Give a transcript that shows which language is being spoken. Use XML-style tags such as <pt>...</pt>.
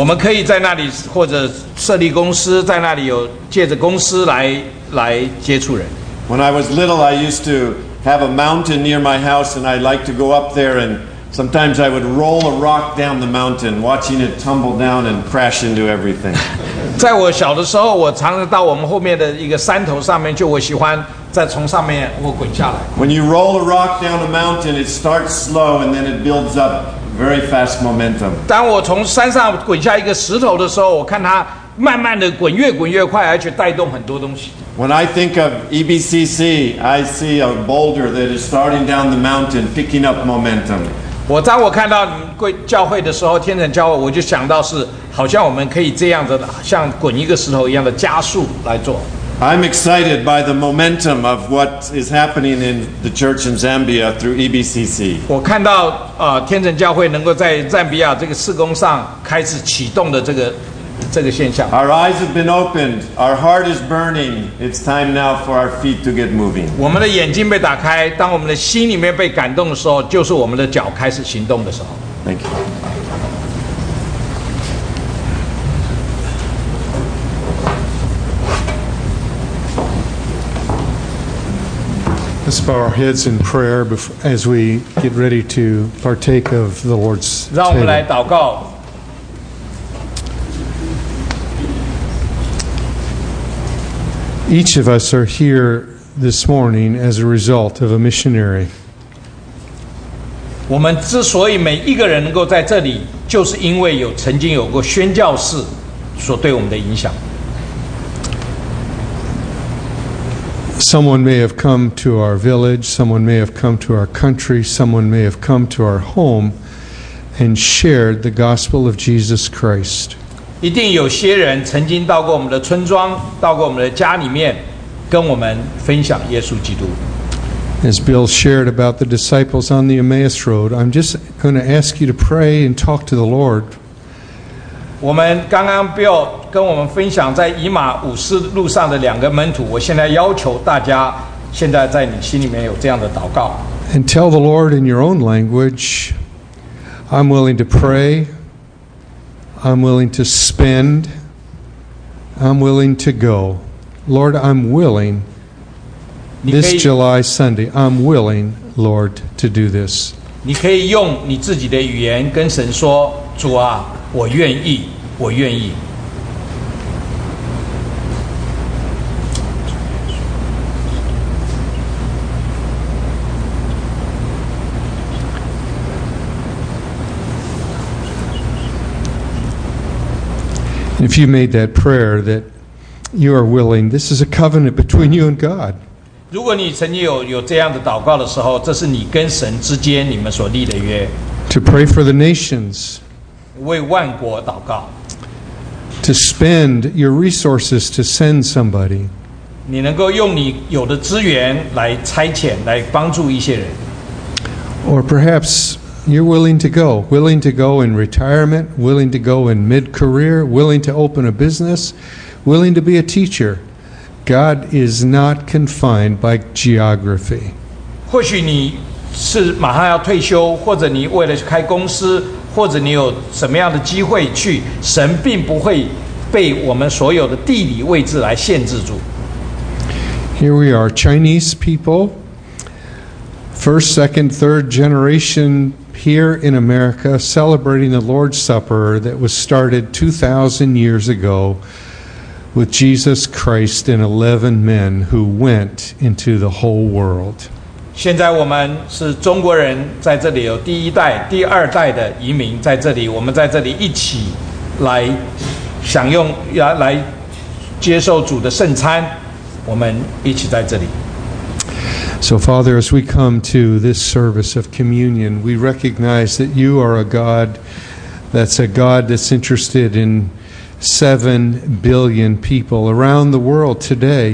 <zh>我们可以在那里或者设立公司，在那里有借着公司来接触人。</zh> <en>When I was little, I used to have a mountain near my house, and I liked to go up there andSometimes I would roll a rock down the mountain, watching it tumble down and crash into everything.</en> <zh>在我小的时候，我常常到我们后面的一个山头上面，就我喜欢在从上面我滚下来。</zh> <en>When you roll a rock down a mountain, it starts slow and then it builds up very fast momentum.</en> <zh>当我从山上滚下一个石头的时候，我看它慢慢的滚，越滚越快，而且带动很多东西。</zh> <en>When I think of EBCC, I see a boulder that is starting down the mountain, picking up momentum.</en> <zh>我当我看到你贵教会的时候，天神教会，我就想到是好像我们可以这样子的，像滚一个石头一样的加速来做。</zh> <en>I'm excited by the momentum of what is happening in the church in Zambia through EBCC.</en> <zh>我看到天神教会能够在赞比亚这个事工上开始启动的这个现象。</zh> <en>Our eyes have been opened. Our heart is burning. It's time now for our feet to get moving.</en> <zh>我们的眼睛被打开，当我们的心里面被感动的时候，就是我们的脚开始行动的时候。</zh> <en>Thank you. Let's bow our heads in prayer as we get ready to partake of the Lord's table.</en> <zh>让我们来祷告。</zh> <en>Each of us are here this morning as a result of a missionary.</en> <zh>我们之所以每一个人能够在这里，就是因为有曾经有过宣教士所对我们的影响。</zh> <en>Someone may have come to our village, someone may have come to our country, someone may have come to our home and shared the gospel of Jesus Christ.</en> <zh>一定有些人曾经到过我们的村庄，到过我们的家里面，跟我们分享耶稣基督。</zh> <en>As Bill shared about the disciples on the Emmaus Road, I'm just going to ask you to pray and talk to the Lord.</en> <zh>我们刚刚 Bill 跟我们分享在以马忤斯路上的两个门徒，我现在要求大家现在在你心里面有这样的祷告。</zh> <en>And tell the Lord in your own language, I'm willing to pray, I'm willing to spend, I'm willing to go. Lord, I'm willing. This July Sunday, I'm willing, Lord, to do this.</en> <zh>你可以用你自己的语言跟神说，主啊，我愿意，我愿意。</zh> <en>If you made that prayer that you are willing, this is a covenant between you and God.</en> <zh>如果你曾经 有这样的祷告的时候，这是你跟神之间你们所立的约。</zh> <en>To pray for the nations，</en> <zh>为万国祷告。</zh> <en>To spend your resources to send somebody，</en> <zh>你能够用你有的资源来差遣，来帮助一些人。</zh> <en>Or perhaps you're willing to go in retirement, willing to go in mid-career, willing to open a business, willing to be a teacher. God is not confined by geography.</en> <zh>或许你是马上要退休，或者你为了开公司，或者你有什么样的机会去，神并不会被我们所有的地理位置来限制住。</zh> <en>Here we are, Chinese people, first, second, third generation here in America, celebrating the Lord's Supper that was started 2,000 years ago. With Jesus Christ and 11 men who went into the whole world.</en> <zh>现在我们是中国人，在这里有第一代、第二代的移民在这里，我们在这里一起来享用、来接受主的圣餐，我们一起在这里。</zh> <en>So Father, as we come to this service of communion, we recognize that you are a God that's a God that's interested in7 billion people around the world today.</en>